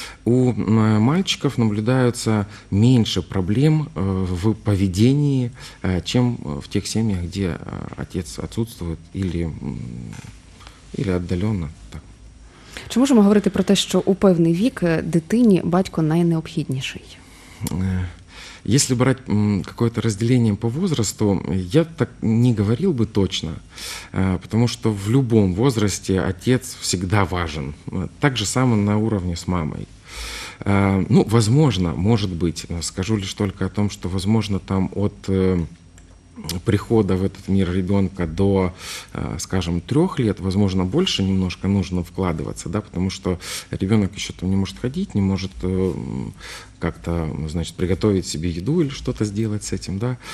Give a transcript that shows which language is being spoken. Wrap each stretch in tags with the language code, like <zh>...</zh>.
<ru>У мальчиков наблюдаются меньше проблем в поведении, чем в тех семьях, где отец отсутствует или отдаленно. Так.</ru> <uk>Чи можемо говорити про те, що у певний вік дитині батько найнеобхідніший?</uk> <ru>Если брать какое-то разделение по возрасту, я так не говорил бы точно, потому что в любом возрасте отец всегда важен, так же само на уровне с мамой. Ну, возможно, может быть, скажу лишь только о том, что, возможно, там от прихода в этот мир ребенка до, скажем, 3 лет, возможно, больше немножко нужно вкладываться, да, потому что ребенок еще там не может ходить, не может как-то, значит, приготовить себе еду или что-то сделать с этим, да.</ru>